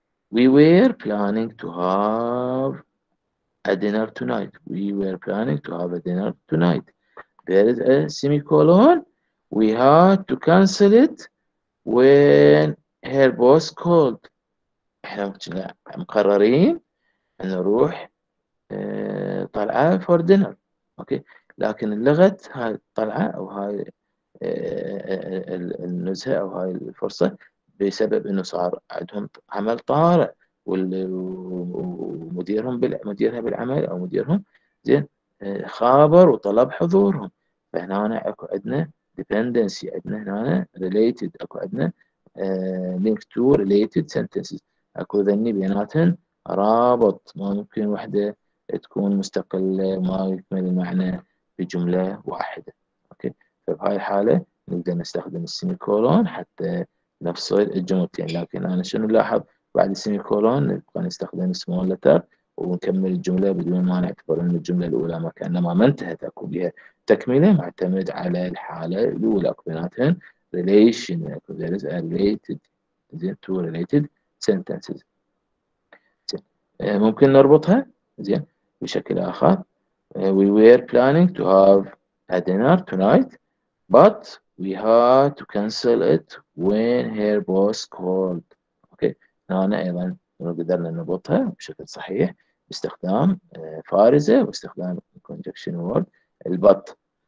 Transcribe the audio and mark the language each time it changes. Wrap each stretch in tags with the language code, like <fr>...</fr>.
<en>We were planning to have a dinner tonight. We were planning to have a dinner tonight. There is a semicolon. We had to cancel it when her boss called.</en> <ar>احنا مقررين ان نروح طلعة</ar> <en>for dinner. Okay.</en> <ar>لكن اللغة هاي الطلعة او هاي النزهة او هاي الفرصة بسبب انه صار عندهم عمل طارئ ومديرهم مديرها بالعمل او مديرهم زين خابر وطلب حضورهم. فهنا اكو عندنا dependency، عندنا هنا related، اكو عندنا</ar> <en>link to related sentences،</en> <ar>اكو ذني بيناتهم رابط، ما ممكن وحدة تكون مستقلة وما يكمل المعنى بجملة واحدة. اوكي، فبهاي الحالة نقدر نستخدم السيمي كولون حتى نفصل الجملتين. لكن انا شنو لاحظ بعد السيمي كولون نبقى نستخدم سمول لتر ونكمل الجملة بدون ما نعتبر ان الجملة الاولى ما كأنما ما انتهت، اكو بها تكملة معتمد على الحالة الاولى. اكو بيناتهم ريليشن، اكو</ar> <en>there is a related to related sentences.</en> <ar>ممكن نربطها زين بشكل اخر.</ar> <en>We were planning to have a dinner tonight, but we had to cancel it when her boss called. Okay.</en> <ar>نحن أيضا نقدر نربطها بشكل صحيح باستخدام فارزة واستخدام</ar> <en>conjunction word</en> <ar>البط.</ar>